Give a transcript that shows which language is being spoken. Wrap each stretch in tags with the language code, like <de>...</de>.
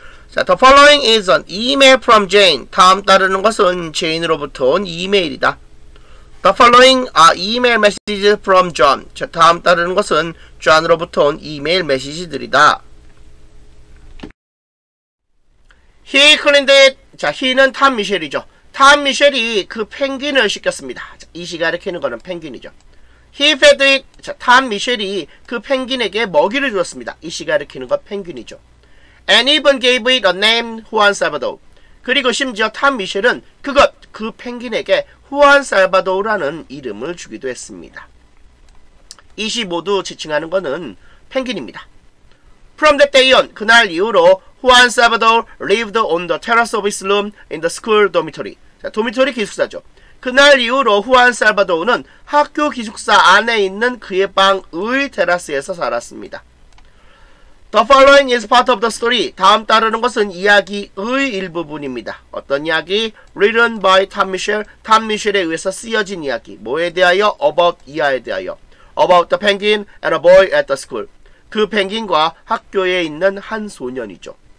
<en>자, the following is an email from Jane.</en> <ko>다음 따르는 것은 제인으로부터 온 이메일이다.</ko> <en>The following are email messages from John.</en> <ko>자, 다음 따르는 것은 John으로부터 온 이메일 메시지들이다.</ko> <en>He cleaned it.</en> <ko>자, he는 탐 미셸이죠. 탐 미셸이 그 펭귄을 씻겼습니다. 자, 이 시가 일으키는 거는 펭귄이죠.</ko> <en>He fed it.</en> <ko>자, 탐 미셸이 그 펭귄에게 먹이를 주었습니다. 이 시가 일으키는 것 펭귄이죠.</ko> <en>And even gave it a name, Juan Salvador.</en> <ko>그리고 심지어 탐 미셸은 그것, 그 펭귄에게 후안 살바도우라는 이름을 주기도 했습니다. 이시 모두 지칭하는 것은 펭귄입니다.</ko> <en>From that day on,</en> <ko>그날 이후로</ko> <en>후안 살바도우 lived on the terrace of his room in the school dormitory.</en> <ko>자, 도미토리 기숙사죠. 그날 이후로 후안 살바도우는 학교 기숙사 안에 있는 그의 방의 테라스에서 살았습니다.</ko> <en>The following is part of the story.</en> <ko>다음 따르는 것은 이야기의 일부분입니다. 어떤 이야기?</ko> <en>Written by Tom Mitchell.</en> <ko>Tom Mitchell에 의해서 쓰여진 이야기. 뭐에 대하여? About 이하에 대하여.</ko> <en>About the penguin and a boy at the school.</en> <ko>그 펭귄과 학교에 있는 한 소년이죠.</ko>